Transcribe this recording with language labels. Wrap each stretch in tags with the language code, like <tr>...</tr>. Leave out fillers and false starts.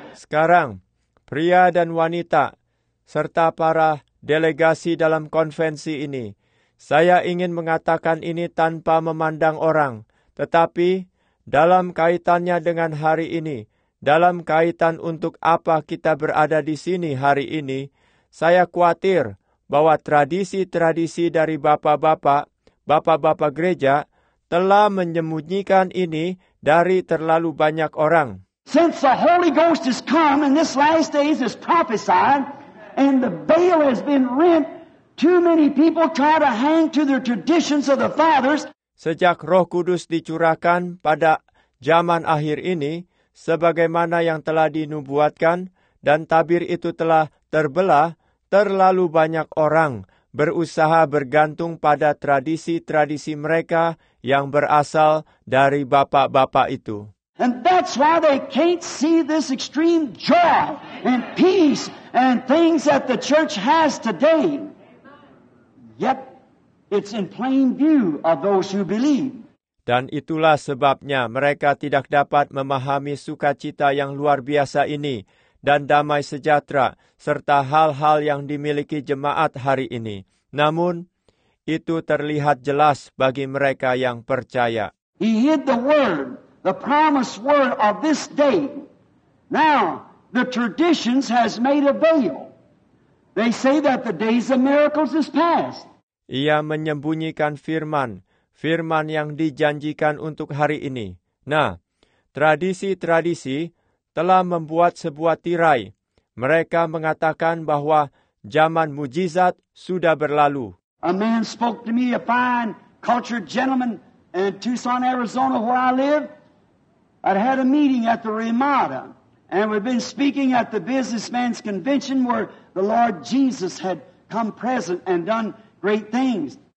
<id>Sekarang, pria dan wanita, serta para delegasi dalam konvensi ini, saya ingin mengatakan ini tanpa memandang orang, tetapi dalam kaitannya dengan hari ini, dalam kaitan untuk apa kita berada di sini hari ini, saya khawatir bahwa tradisi-tradisi dari bapak-bapak gereja telah menyembunyikan ini dari terlalu banyak orang.</id> <en>Since the Holy Ghost has come and this last days is prophesied and the veil has been rent, too many people try to hang to their traditions of the fathers.</en> <id>Sejak Roh Kudus dicurahkan pada zaman akhir ini, sebagaimana yang telah dinubuatkan dan tabir itu telah terbelah, terlalu banyak orang berusaha bergantung pada tradisi-tradisi mereka yang berasal dari bapak-bapak itu.</id> <en>And that's why they can't see this extreme joy and peace and things that the church has today. Yet it's in plain view of those who believe.</en> <id>Dan itulah sebabnya mereka tidak dapat memahami sukacita yang luar biasa ini. Dan damai sejahtera, serta hal-hal yang dimiliki jemaat hari ini. Namun, itu terlihat jelas bagi mereka yang percaya.</id> <en>He hid the word, the promised word of this day. Now, the traditions has made a veil. They say that the days of miracles is past.</en> <id>Ia menyembunyikan firman, firman yang dijanjikan untuk hari ini. Nah, tradisi-tradisi telah membuat sebuah tirai. Mereka mengatakan bahwa zaman mujizat sudah berlalu.</id> <en>A man spoke to me, a fine, cultured gentleman in Tucson, Arizona, where I live. I'd had a meeting at the Ramada, and we'd been speaking at the businessmen's convention where the Lord Jesus had come present and done great things.</en>